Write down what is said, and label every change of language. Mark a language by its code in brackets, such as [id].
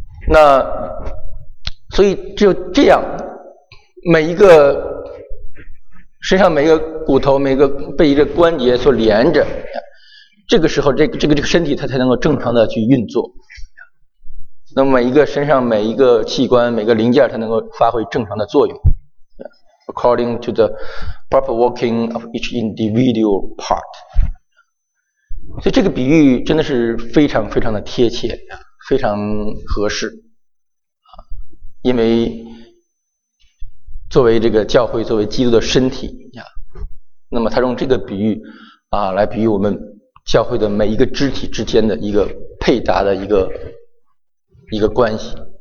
[zh] 那所以就这样，每一个身上每一个骨头每一个被一个关节所连着，这个时候这个身体它才能够正常的去运作，那么每一个身上每一个器官每个零件它能够发挥正常的作用。 [en] According to the proper working of each individual part。 [zh] 所以这个比喻真的是非常非常的贴切，非常合适，因为作为这个教会作为基督的身体，那么他用这个比喻啊来比喻我们教会的每一个肢体之间的一个配搭的一个关系。